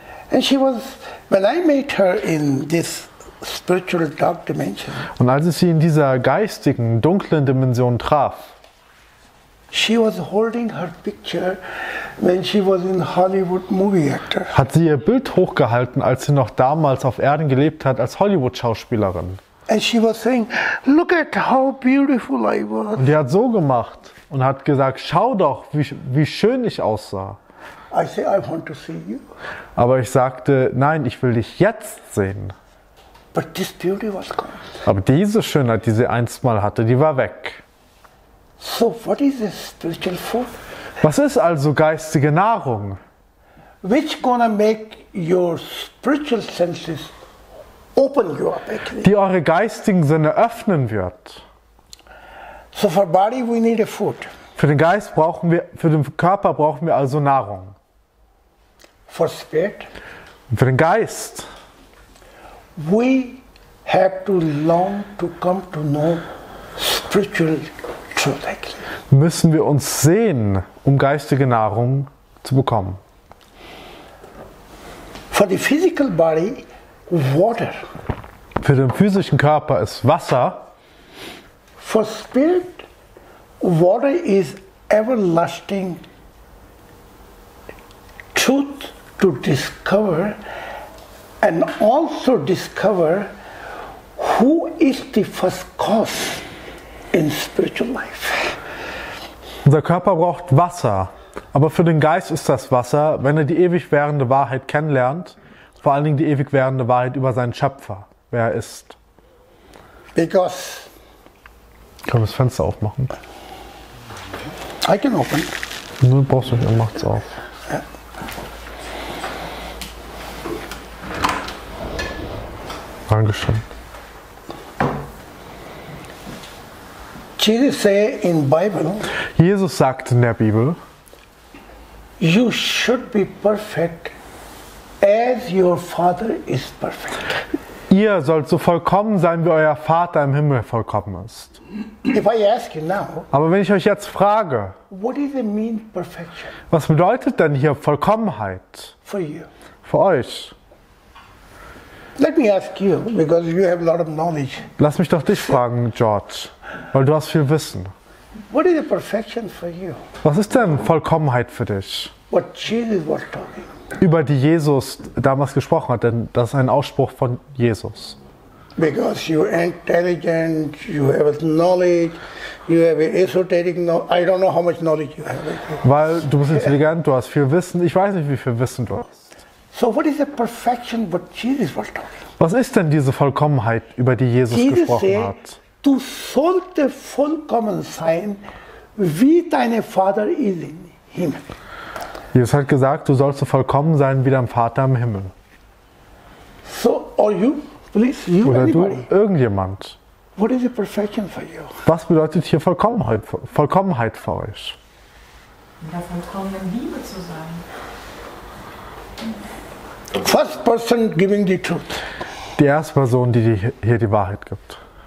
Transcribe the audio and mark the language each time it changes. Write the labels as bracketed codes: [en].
[en] And she was, when I met her in this spiritual dark dimension. [de] Und als ich sie in dieser geistigen, dunklen Dimension traf, [en] she was holding her picture when she was in Hollywood movie actor. [de] Hat sie ihr Bild hochgehalten, als sie noch damals auf Erden gelebt hat, als Hollywood-Schauspielerin. [en] And she was saying, look at how beautiful I was. [de] Und die hat so gemacht und hat gesagt, schau doch, wie schön ich aussah. [en] I say, I want to see you. [de] Aber ich sagte, nein, ich will dich jetzt sehen. [en] But this beauty was gone. [de] Aber diese Schönheit, die sie einst mal hatte, die war weg. [en] So what is this spiritual food? [de] Was ist also geistige Nahrung? [en] which gonna make your spiritual senses open you up, actually. [de] Die eure geistigen Sinne öffnen wird. [en] So for body we need a food. [de] Für den Geist brauchen wir, für den Körper brauchen wir also Nahrung. [en] For spirit. [de] Für den Geist. [en] We have to long to come to know spiritual truth, actually. [de] Müssen wir uns sehen, um geistige Nahrung zu bekommen. [en] For the physical body, water. [de] Für den physischen Körper ist Wasser. [en] For spirit, water is everlasting truth to discover and also discover who is the first cause in spiritual life. [de] Unser Körper braucht Wasser, aber für den Geist ist das Wasser, wenn er die ewig währende Wahrheit kennenlernt, vor allen Dingen die ewig währende Wahrheit über seinen Schöpfer, wer er ist. [en] Because. [de] Können wir das Fenster aufmachen? [en] I can open. [de] Nur brauchst du nicht, dann macht's auf. Ja. Dankeschön. [en] Jesus say in Bible. [de] Jesus sagt in der Bibel. [en] You should be perfect, as your Father is perfect. [de] Ihr sollt so vollkommen sein, wie euer Vater im Himmel vollkommen ist. [en] If I ask you now. [de] Aber wenn ich euch jetzt frage. [en] What does it mean perfection? [de] Was bedeutet denn hier Vollkommenheit? [en] For you. [de] Für euch. [en] Let me ask you, because you have a lot of knowledge. [de] Lass mich doch dich fragen, George, weil du hast viel Wissen. [en] What is the perfection for you? [de] Was ist denn Vollkommenheit für dich? [en] What Jesus was talking. [de] Über die Jesus damals gesprochen hat, denn das ist ein Ausspruch von Jesus. [en] Because you are intelligent, you have knowledge, you have esoteric knowledge. I don't know how much knowledge you have. [de] Weil du bist intelligent, du hast viel Wissen. Ich weiß nicht, wie viel Wissen du hast. [en] So what is the perfection what Jesus was talking? [de] Was ist denn diese Vollkommenheit, über die Jesus gesprochen hat? Du sollte vollkommen sein, wie dein Vater ist im Himmel. Jesus hat gesagt, du sollst so vollkommen sein wie dein Vater im Himmel. [en] So are you, please, you [de] oder [en] anybody. [de] Du, irgendjemand. [en] What is the perfection for you? [de] Was bedeutet hier Vollkommenheit, Vollkommenheit für euch? In der vollkommenen Liebe zu sein. [en] First person giving the truth. [de] Die erste Person, die hier die Wahrheit gibt.